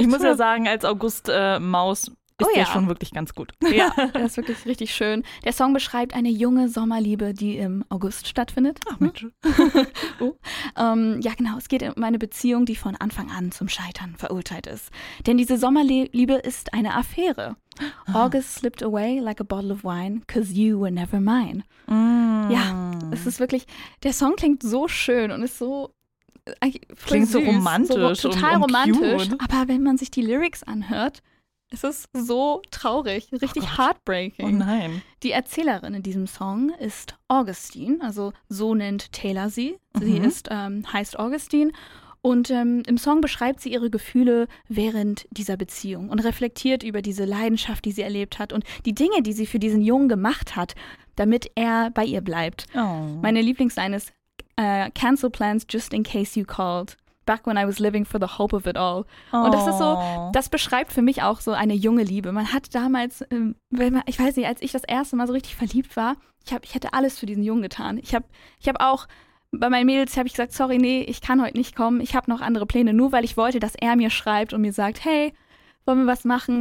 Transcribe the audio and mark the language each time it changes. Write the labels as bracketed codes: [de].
[de] Ich muss ja sagen, als August-Maus ist der schon wirklich ganz gut. Ja, der ist wirklich richtig schön. Der Song beschreibt eine junge Sommerliebe, die im August stattfindet. Ach, Mensch. Ja, genau. Es geht um eine Beziehung, die von Anfang an zum Scheitern verurteilt ist. Denn diese Sommerliebe ist eine Affäre. [en] August slipped away like a bottle of wine, cause you were never mine. [de] Ja, es ist wirklich, der Song klingt so schön und ist so... Klingt so romantisch. So, total romantisch. Aber wenn man sich die Lyrics anhört, es ist so traurig, richtig heartbreaking. Oh nein. Die Erzählerin in diesem Song ist Augustine, also so nennt Taylor sie. Sie heißt Augustine und im Song beschreibt sie ihre Gefühle während dieser Beziehung und reflektiert über diese Leidenschaft, die sie erlebt hat und die Dinge, die sie für diesen Jungen gemacht hat, damit er bei ihr bleibt. Oh. Meine Lieblingsline ist [en] cancel plans just in case you called. Back when I was living for the hope of it all. Oh. [de] Und das ist so, das beschreibt für mich auch so eine junge Liebe. Man hat damals, wenn man, ich weiß nicht, als ich das erste Mal so richtig verliebt war, ich hätte alles für diesen Jungen getan. Ich hab auch bei meinen Mädels habe ich gesagt, sorry, nee, ich kann heute nicht kommen. Ich habe noch andere Pläne, nur weil ich wollte, dass er mir schreibt und mir sagt, hey, wollen wir was machen?